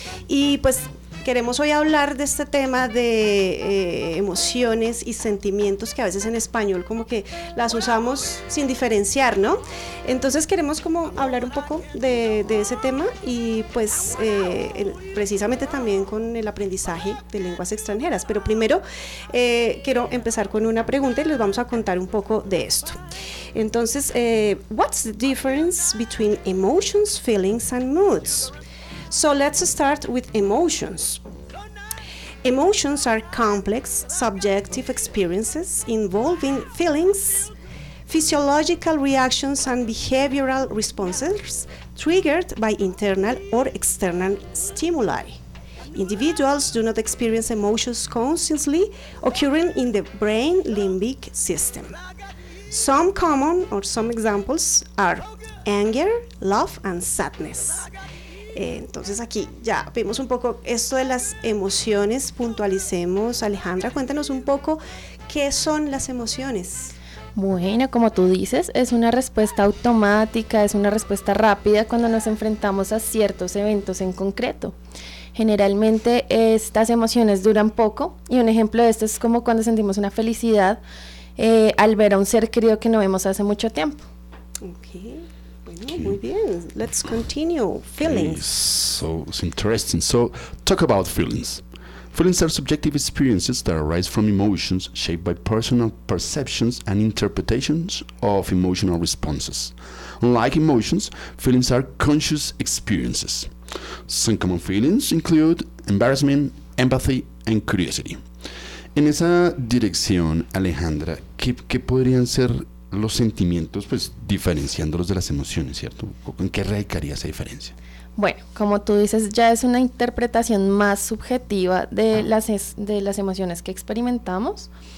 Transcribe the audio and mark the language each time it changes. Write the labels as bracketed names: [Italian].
[Spanish] Y pues queremos hoy hablar de este tema de emociones y sentimientos, que a veces en español como que las usamos sin diferenciar, ¿no? Entonces queremos como hablar un poco de ese tema y pues precisamente también con el aprendizaje de lenguas extranjeras. Pero primero quiero empezar con una pregunta y les vamos a contar un poco de esto. Entonces, [English] what's the difference between emotions, feelings and moods? So let's start with emotions. Emotions are complex, subjective experiences involving feelings, physiological reactions and behavioral responses triggered by internal or external stimuli. Individuals do not experience emotions consciously, occurring in the brain limbic system. Some common or some examples are anger, love and sadness. [Spanish] Entonces aquí ya vimos un poco esto de las emociones, puntualicemos. Alejandra, cuéntanos un poco qué son las emociones. Bueno, como tú dices, es una respuesta automática, es una respuesta rápida cuando nos enfrentamos a ciertos eventos en concreto. Generalmente estas emociones duran poco y un ejemplo de esto es como cuando sentimos una felicidad al ver a un ser querido que no vemos hace mucho tiempo. [English] Ok. Okay. [Spanish] Muy bien, [English] let's continue. Feelings. So, it's interesting. So, talk about feelings. Feelings are subjective experiences that arise from emotions shaped by personal perceptions and interpretations of emotional responses. Like emotions, feelings are conscious experiences. Some common feelings include embarrassment, empathy, and curiosity. [Spanish] En esa dirección, Alejandra, ¿qué podrían ser los sentimientos, pues diferenciándolos de las emociones, ¿cierto? ¿En qué radicaría esa diferencia? Bueno, como tú dices, ya es una interpretación más subjetiva de las emociones que experimentamos.